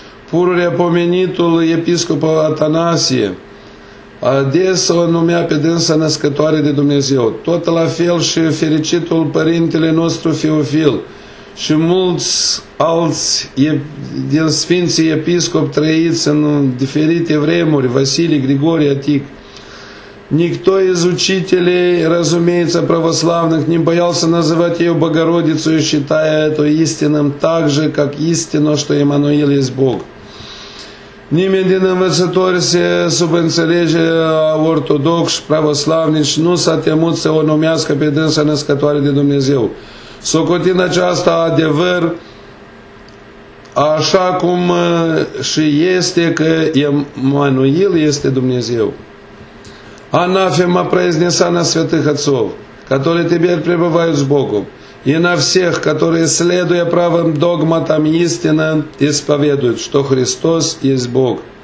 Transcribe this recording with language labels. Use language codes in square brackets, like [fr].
[ro] Pururea pomenitul episcopul Atanasie, adesea o numea pe dânsa născătoare de Dumnezeu. Tot la fel și fericitul părintele nostru Feofil și mulți alți din sfinții episcopi trăiți în diferite vremuri, Vasilii, Grigorii, Atic. [ru] Nicto из учителей, разумеется, православных, не боялся называть ее Богородицей, считая это истинным так же, как истина, что Иммануил есть Бог. [ro] Nimeni din învățători se subînțelege ortodox și pravoslavnici nu s-a temut să o numească pe dânsa născătoare de Dumnezeu. Socotind aceasta adevăr, așa cum și este că Emanuel este Dumnezeu. [ru] Anafema произнеса на святых отцов, которые теперь пребывают с Богом, и на всех, которые, следуя правым догматам истины, исповедуют, что Христос есть Бог.